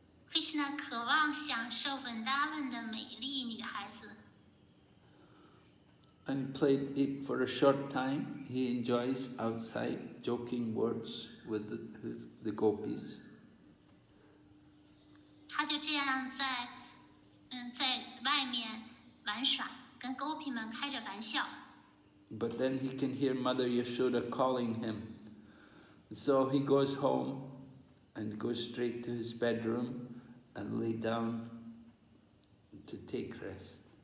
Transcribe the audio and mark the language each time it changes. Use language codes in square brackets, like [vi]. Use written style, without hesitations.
[zh] Krishna 渴望享受 Vrindavan 的美丽女孩子。 [en] And played it for a short time. He enjoys outside joking words with the gopis. [zh] 他就这样在外面玩耍，跟勾皮们开着玩笑。 [en] But then he can hear Mother Yashoda calling him. So he goes home and goes straight to his bedroom and lay down to take rest.